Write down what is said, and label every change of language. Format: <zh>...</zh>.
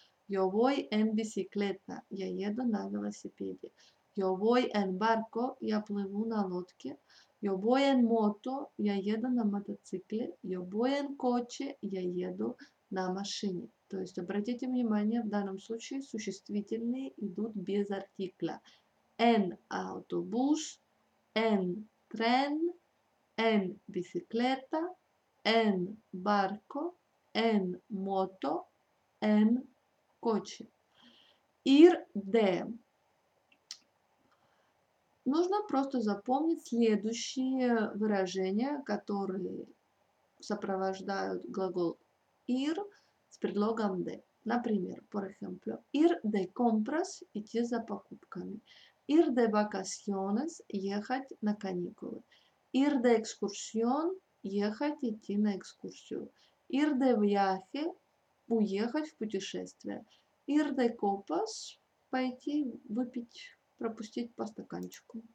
<es>Yo voy en bicicleta,</es> <ru>я еду на велосипеде.</ru> <es>Yo voy en barco,</es> <ru>я плыву на лодке.</ru> <es>Yo voy en moto,</es> <ru>я еду на мотоцикле.</ru> <es>Yo voy en coche,</es> <ru>я еду на машине. То есть, обратите внимание, в данном случае существительные идут без артикля.</ru> <es>En autobús, en tren, en bicicleta, en barco, en moto, en coche. Ir de.</es> <ru>Нужно просто запомнить следующие выражения, которые сопровождают глагол ir с предлогом de. Например,</ru> <es>por ejemplo, ir de compras,</es> <ru>идти за покупками.</ru> <es>Ir de vacaciones –</es> <ru>ехать на каникулы.</ru> <es>Ir de excursión</es> <ru>– ехать, идти на экскурсию.</ru> <es>Ir de viaje –</es> <ru>уехать в путешествие.</ru> <es>Ir de copas</es> <ru>– пойти выпить, пропустить по стаканчику.</ru>